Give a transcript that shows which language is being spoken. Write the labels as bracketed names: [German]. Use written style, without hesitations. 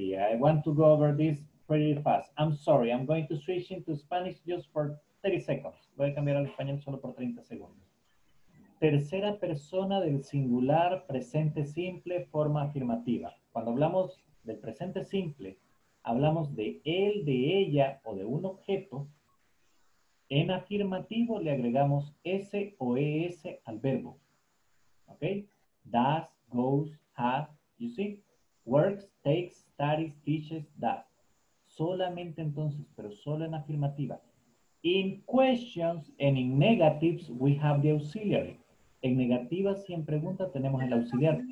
[English] I want to go over this pretty fast. I'm sorry, I'm going to switch into Spanish just for 30 seconds. [Spanish] Voy a cambiar al español solo por 30 segundos. Tercera persona del singular, presente simple, forma afirmativa. Cuando hablamos del presente simple, hablamos de él, de ella o de un objeto. En afirmativo le agregamos S o ES al verbo. [English] Okay, does, goes. Have, you see, works, takes, studies, teaches, does. [Spanish] Solamente entonces, pero solo en afirmativa. [English] In questions and in negatives, we have the auxiliary. [Spanish] En negativas y en preguntas tenemos el auxiliar.